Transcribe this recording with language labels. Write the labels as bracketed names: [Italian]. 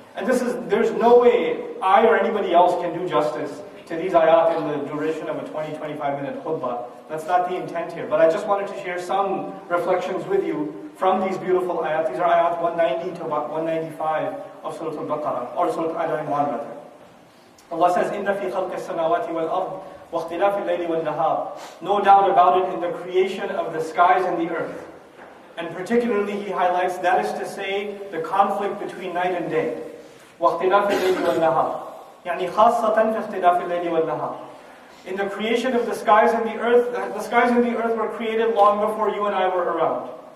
[English] And this is, there's no way I or anybody else can do justice to these ayat in the duration of a 20-25 minute khutbah. That's not the intent here. But I just wanted to share some reflections with you from these beautiful ayat. These are ayat 190 to about 195 of Surah Al-Baqarah, or Surah Al-Imran rather. Allah says, [Arabic] إِنَّ فِي خَلْقِ السَّمَاوَاتِ وَالْأَرْضِ وَاخْتِلَافِ اللَّيْلِ وَالنَّهَارِ. [English] No doubt about it, in the creation of the skies and the earth. And particularly he highlights, that is to say, the conflict between night and day. [Arabic] وَاخْتِلَافِ اللَّيْلِ وَالنَّهَارِ يعني خَاصَّةً فِي اخْتِلَافِ اللَّيْلِ وَالنَّهَارِ. [English] In the creation of the skies and the earth, the skies and the earth were created long before you and I were around.